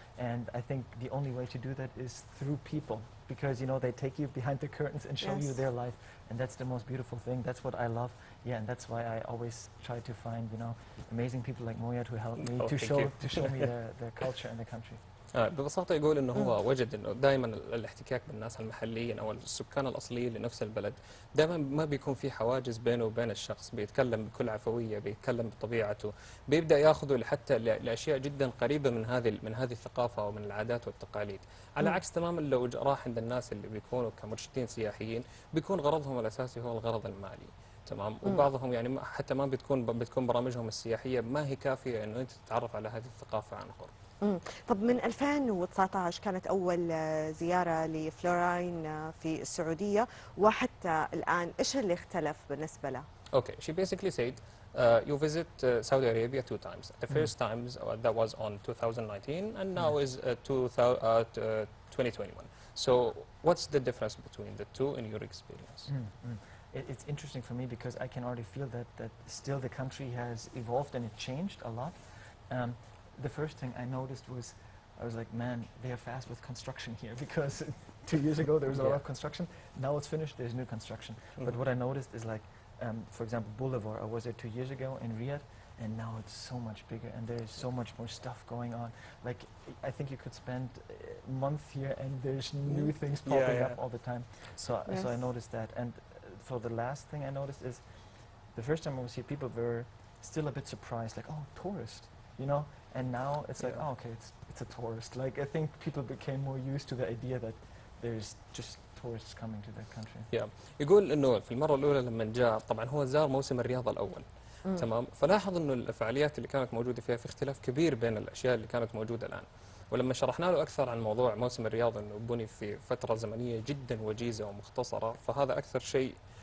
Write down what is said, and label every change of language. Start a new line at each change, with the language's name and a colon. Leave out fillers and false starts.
English: And I think the only way to do that is through people because, you know, they take you behind the curtains and show you their life. And that's the most beautiful thing. That's what I love. Yeah, and that's why I always try to find, you know, amazing people like Moya to help me to show me their culture and the country.
Arabic: ببساطة يقول إنه هو وجد إنه دائما الاحتكاك بالناس المحليين أو السكان الأصليين لنفس البلد دائما ما بيكون في حواجز بينه وبين الشخص بيتكلم بكل عفوية بيتكلم بطبيعته بيبدأ يأخذه حتى لأشياء جدا قريبة من هذه الثقافة ومن العادات والتقاليد على عكس تماما لو راح عند الناس اللي بيكونوا كمرشدين سياحيين بيكون غرضهم الأساسي هو الغرض المالي تمام وبعضهم يعني حتى ما بتكون برامجهم السياحية ما هي كافية إنه أنت تتعرف على هذه الثقافة عن قرب. طب من 2019 كانت أول زيارة لفلوراين في السعودية وحتى الآن إيش اللي اختلف بالنسبة له؟
English: Okay, she basically said you visit Saudi Arabia two times. The first time that was on 2019 and now is 2021. So what's the difference between the two in your experience? It's interesting for me because I can already feel that still the country has evolved and it changed a lot. The first thing I noticed was, I was like, man, they are fast with construction here because 2 years ago there was a lot of construction. Now it's finished, there's new construction. Mm-hmm. But what I noticed is like, for example, Boulevard, I was there 2 years ago in Riyadh, and now it's so much bigger and there's so much more stuff going on. Like, I think you could spend a month here and there's new things popping up all the time. So I noticed that. And so the last thing I noticed is, the first time I was here, people were still a bit surprised, like, oh, tourist, you know? And now it's like, oh, okay, it's a tourist. Like, I think people became more used to the idea that there's just tourists coming to that country. Yeah.
Arabic: يقول إنه في المرة الأولى لما جاء طبعًا هو زار موسم الرياض الأول. تمام. فلاحظ إنه الفعاليات اللي كانت موجودة فيها في اختلاف كبير بين الأشياء اللي كانت موجودة الآن. ولما شرحنا له أكثر عن موضوع موسم الرياض إنه بني في فترة زمنية جدًا وجيزة ومختصرة، فهذا أكثر شيء.